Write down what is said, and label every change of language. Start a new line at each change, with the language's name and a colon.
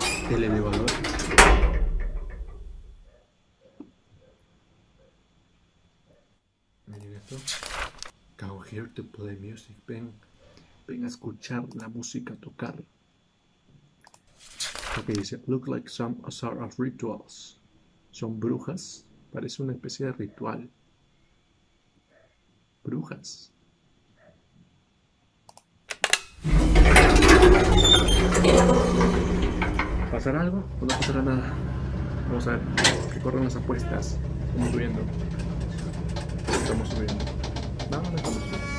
Spanish: El elevador. Miren esto.
English: Come here to play music.
Spanish: Ven. Ven a escuchar la música, a tocar.
English: Ok,
Spanish: dice:
English: Look like some sort of rituals.
Spanish: Son brujas. Parece una especie de ritual. Brujas. ¿Pasará algo o no pasará nada? Vamos a ver que corren las apuestas. Estamos subiendo. Estamos subiendo. No, no estamos subiendo.